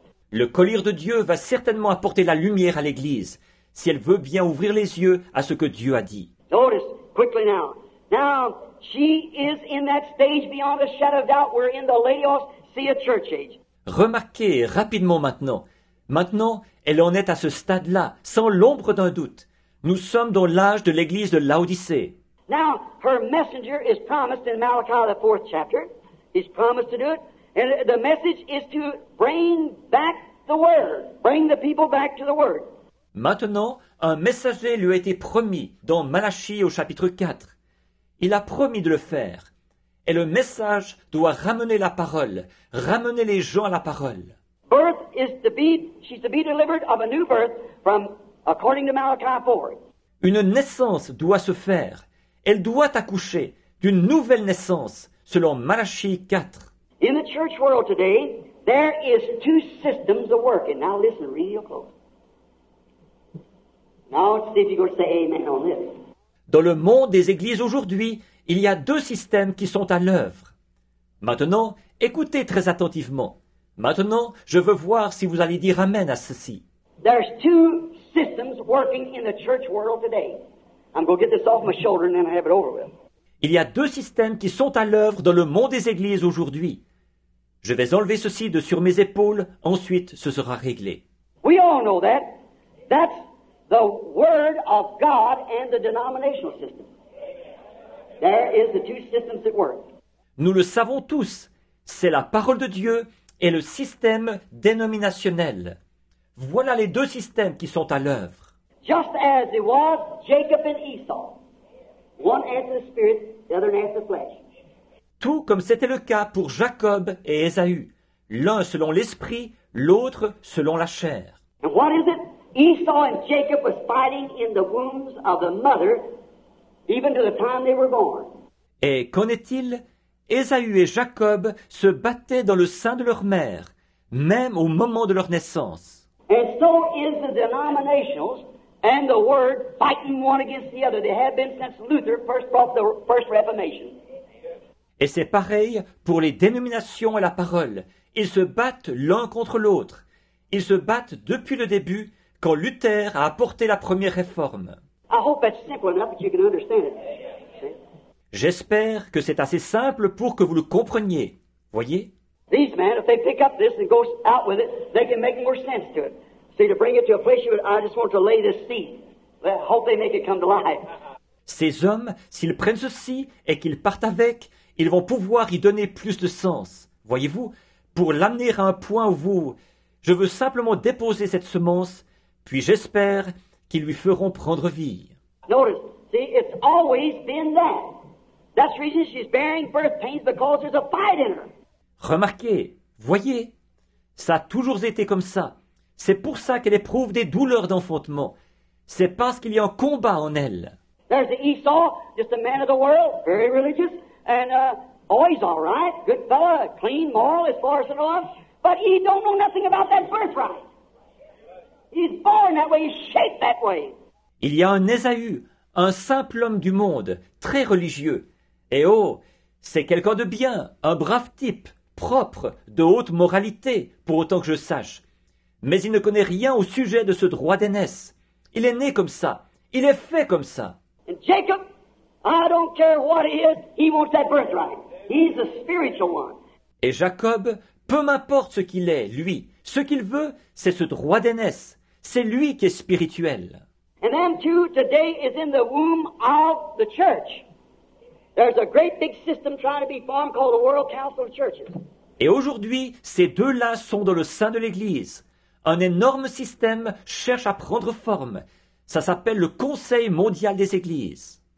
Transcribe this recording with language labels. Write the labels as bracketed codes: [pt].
[fr] Le collier de Dieu va certainement apporter la lumière à l'Église, si elle veut bien ouvrir les yeux à ce que Dieu a dit. [en] Notice, quickly now. Now, she is in that stage beyond a shadow of doubt, we're in the Laodicea church age. [fr] Remarquez rapidement maintenant. Maintenant, elle en est à ce stade-là, sans l'ombre d'un doute. Nous sommes dans l'âge de l'église de Laodicée. [en] Now, her messenger is promised in Malachi, the fourth chapter. He's promised to do it. And the message is to bring back the word. Bring the people back to the word. [fr] Maintenant, un messager lui a été promis dans Malachie au chapitre 4. Il a promis de le faire. Et le message doit ramener la parole, ramener les gens à la parole. [en] Birth is to be, she's to be delivered of a new birth from, according to Malachi 4. [fr] Une naissance doit se faire. Elle doit accoucher d'une nouvelle naissance, selon Malachie 4. [en] In the church world today, there is two systems of working. Now listen, read your quote. Now see if you're going to say amen on this. [fr] Dans le monde des églises aujourd'hui, il y a deux systèmes qui sont à l'œuvre. Maintenant, écoutez très attentivement. Maintenant, je veux voir si vous allez dire amen à ceci. [en] There's two systems working in the church world today. I'm going to get this off my shoulder and then I have it over with. [fr] Il y a deux systèmes qui sont à l'œuvre dans le monde des églises aujourd'hui. Je vais enlever ceci de sur mes épaules, ensuite ce sera réglé. [en] We all know that. That's the word of God and the denominational system. There is the two systems at work. [fr] Nous le savons tous. C'est la parole de Dieu et le système dénominationnel. Voilà les deux systèmes qui sont à l'œuvre. [en] Just as it was Jacob and Esau. One answered the spirit, the other answered the flesh. [fr] Tout comme c'était le cas pour Jacob et Esaü. L'un selon l'esprit, l'autre selon la chair. [en] And what is it? Esau and Jacob was fighting in the wombs of the mother even to the time they were born. [fr] Et qu'en est-il? Ésaü et Jacob se battaient dans le sein de leur mère, même au moment de leur naissance. [en] And so is the denominations and the word fighting one against the other. They have been since Luther first brought the first Reformation. [fr] Et c'est pareil pour les dénominations et la parole. Ils se battent l'un contre l'autre. Ils se battent depuis le début, quand Luther a apporté la première réforme. [en] I hope that's simple enough that you can understand it. [fr] J'espère que c'est assez simple pour que vous le compreniez. Voyez? [en] These men, if they pick up this and go out with it, they can make more sense to it. See, to bring it to a place, I just want to lay this seed. I hope they make it come to life. [fr] Ces hommes, s'ils prennent ceci et qu'ils partent avec, ils vont pouvoir y donner plus de sens. Voyez-vous? Pour l'amener à un point où vous... Je veux simplement déposer cette semence, puis j'espère qu'ils lui feront prendre vie. [en] Notice, see, it's always been that. That's the reason she's bearing birth pains because there's a fight in her. [fr] Remarquez, voyez, ça a toujours été comme ça. C'est pour ça qu'elle éprouve des douleurs d'enfantement. C'est parce qu'il y a un combat en elle. [en] There's the Esau, just a man of the world, very religious, and he's all right, good fella, clean, moral, as far as it goes. But he don't know nothing about that birthright. He's born that way, he's shaped that way. [fr] Il y a un Ésaü, un simple homme du monde, très religieux. Et oh, c'est quelqu'un de bien, un brave type, propre, de haute moralité, pour autant que je sache. Mais il ne connaît rien au sujet de ce droit d'aînesse. Il est né comme ça. Il est fait comme ça. [en] And Jacob, I don't care what he is, he wants that birthright. He's a spiritual one. [fr] Et Jacob, peu m'importe ce qu'il est, lui. Ce qu'il veut, c'est ce droit d'aînesse. C'est lui qui est spirituel. [en] And them too, today is in the womb of the church. There's a great big system trying to be formed called the World Council of Churches. [fr] Et aujourd'hui, ces deux-là sont dans le sein de l'Église. Un énorme système cherche à prendre forme. Ça s'appelle le Conseil mondial des Églises.